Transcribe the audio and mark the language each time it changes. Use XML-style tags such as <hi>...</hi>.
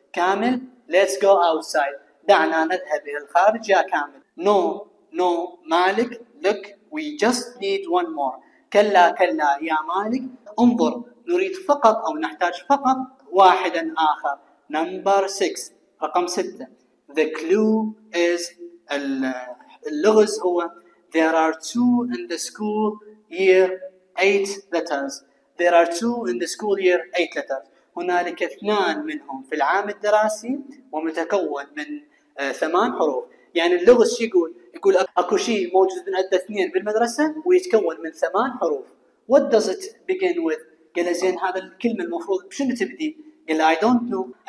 <en>كامل، let's go outside.</en> <ar>دعنا نذهب إلى الخارج يا كامل.</ar> <en>No, no, مالك, look, we just need one more.</en> <ar>كلا كلا يا مالك، انظر، نريد فقط أو نحتاج فقط واحدا آخر.</ar> <en>Number six,</en> <ar>رقم ستة.</ar> <en>The clue is,</en> <ar>اللغز هو,</ar> <en>there are two in the school year. 8 letters. There are two in the school year. 8 letters.</en> <ar>هنالك اثنان منهم في العام الدراسي ومتكون من ثمان حروف. يعني اللغز يقول أكو شيء موجود من عدة اثنين بالمدرسة ويتكون من ثمان حروف.</ar> <en>What does it begin with?</en> <ar>قال زين هذا الكلمة المفروض بشنو تبدي؟ قال</ar> <en>I don't know.</en>